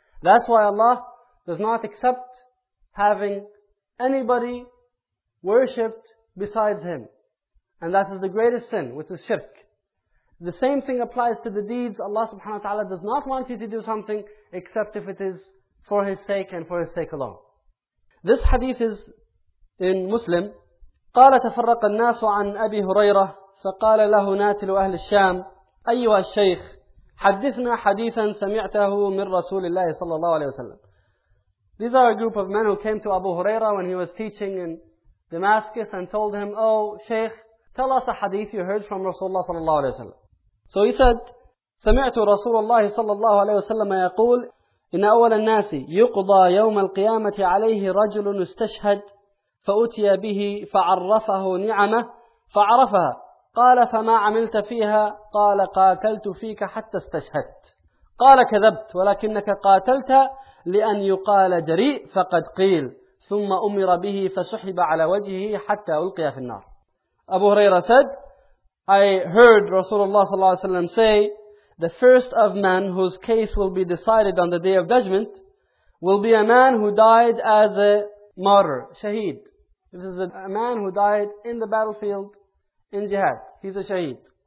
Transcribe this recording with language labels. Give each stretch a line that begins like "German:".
English: That's why Allah does not accept having anybody worshipped besides Him. And that is the greatest sin, which is shirk. The same thing applies to the deeds. Allah subhanahu wa ta'ala does not want you to do something except if it is for His sake and for His sake alone. This hadith is in Muslim.
Arabic: قال تفرق الناس عن أبي هريرة فقال له ناتل أهل الشام أيها الشيخ حدثنا حديثا سمعته من رسول الله صلى الله عليه وسلم.
English: These are a group of men who came to Abu Huraira when he was teaching in Damascus and told him, oh Shaykh, tell us a hadith you heard from Rasulullah صلى الله عليه وسلم. So he said,
Arabic: سمعت رسول الله صلى الله عليه وسلم يقول إن أول الناس يقضى يوم القيامة عليه رجل استشهد فأتي به فعرفه نعمه فعرفها قال فما عملت فيها قال قاتلت فيك حتى استشهدت قال كذبت ولكنك قاتلت لأن يقال جريء فقد قيل ثم أمر به فسحب على وجهه حتى ألقي في النار.
English: أبو هريرة said, I heard Rasulullah صلى الله عليه وسلم say, the first of men whose case will be decided on the Day of Judgment will be a man who died as a martyr, shaheed. This is a man who died in the battlefield in jihad. He's a shaheed.